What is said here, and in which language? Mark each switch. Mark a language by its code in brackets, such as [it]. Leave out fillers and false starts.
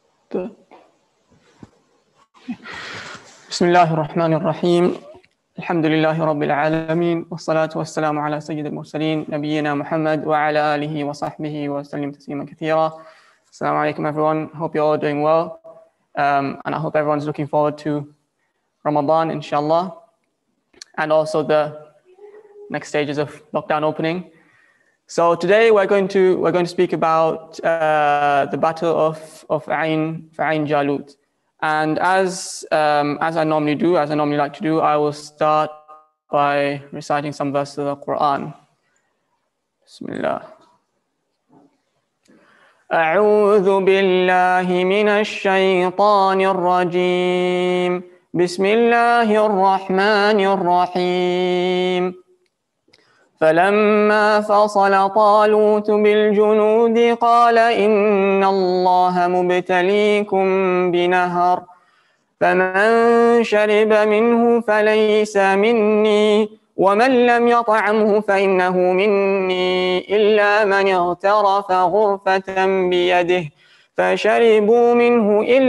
[ar] The بسم الله الرحمن الرحيم الحمد لله رب العالمين والصلاة والسلام على سيد المرسلين نبينا محمد وعلى آله وصحبه وسلم تسليما كثيرا. [en] Assalamu alaikum everyone, hope you're all doing well, and I hope everyone's looking forward to Ramadan inshallah, and also the next stages of lockdown opening. So today we're going to speak about the battle of Ain Jalut. And as I normally like to do, I will start by reciting some verses of the Quran. Bismillah. [ar] أعوذ بالله من الشيطان الرجيم بسم الله الرحمن الرحيم فلما فصل طالوت بالجنود قال إن الله مبتليكم بنهر فمن شرب منه فليس مني ومن لم يطعمه فإنه مني إلا من اغترف غرفة بيده فشربوا منه